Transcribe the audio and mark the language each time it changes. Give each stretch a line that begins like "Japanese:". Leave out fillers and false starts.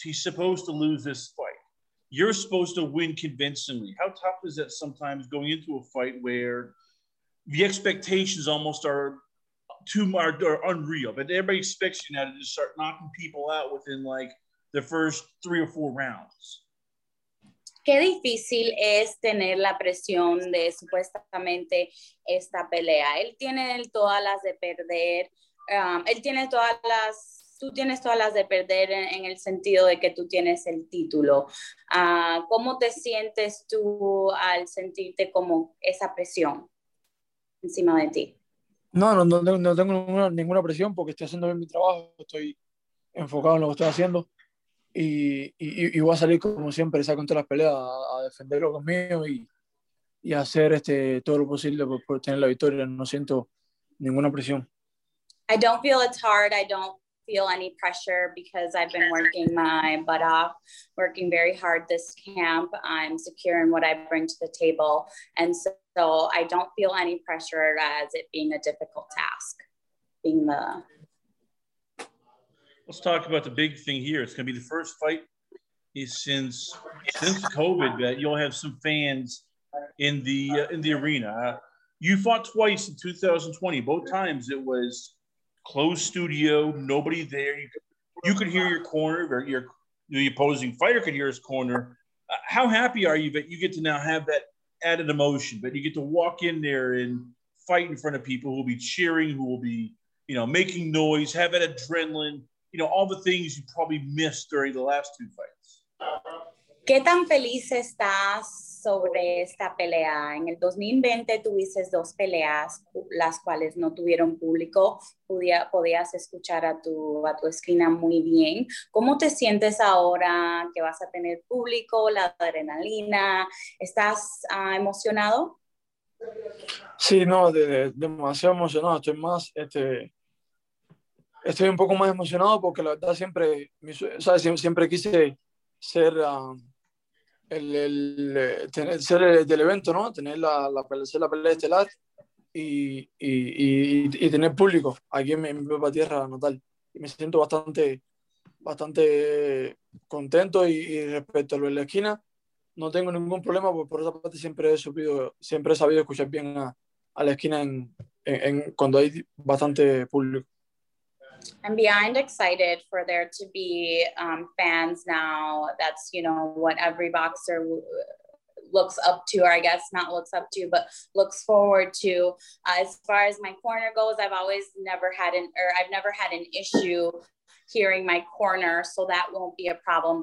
English: He's supposed to lose this fight. You're supposed to win convincingly. How tough is that sometimes going into a fight where the expectations almost are unreal, but everybody expects you now to just start knocking people out within like the first three or four rounds?
Spanish: Qué difícil es tener la presión de supuestamente esta pelea. Él tiene todas las de perder. Tú tienes todas las de perder en el sentido de que tú tienes el título. ¿Cómo te sientes tú al sentirte como esa presión encima de ti? No tengo ninguna presión porque estoy haciendo bien mi trabajo. Estoy enfocado en lo que estoy haciendo. Y voy a salir como siempre, saco todas las peleas, a defender lo que es mío y hacer todo lo posible por tener la victoria. No siento ninguna presión.
English: I don't feel it's hard. I don't feel any pressure because I've been working my butt off, working very hard this camp. I'm secure in what I bring to the table. And so I don't feel any pressure as it being a difficult task, being the... Let's talk about the big thing here. It's going to be the first fight since COVID that you'll have some fans in the arena. You fought twice in 2020. Both times it was closed studio, nobody there. You could hear your corner, or your opposing fighter could hear his corner. How happy are you that you get to now have that added emotion, that you get to walk in there and fight in front of people who will be cheering, who will be, you know, making noise, have that adrenaline? You know, all the things you probably missed during the last two fights.
Spanish: ¿Qué tan feliz estás sobre esta pelea? En el 2020 tuviste dos peleas, las cuales no tuvieron público. Podías escuchar a tu esquina muy bien. ¿Cómo te sientes ahora que vas a tener público, la adrenalina? ¿Estás emocionado? Sí, no, demasiado emocionado. Estoy más, estoy un poco más emocionado porque la verdad siempre, ¿sabes? Siempre quise ser del evento, ¿no? Tener la pelea estelar y tener público aquí en mi propia tierra natal. Y me siento bastante contento y respecto a lo de la esquina, No tengo ningún problema, pues por esa parte siempre he sabido escuchar bien a la esquina en cuando hay bastante público.
English: I'm beyond excited for there to be fans now. That's, you know, what every boxer looks up to, or I guess not looks up to, but looks forward to. As far as my corner goes, I've never had an issue hearing my corner, so that won't be a problem.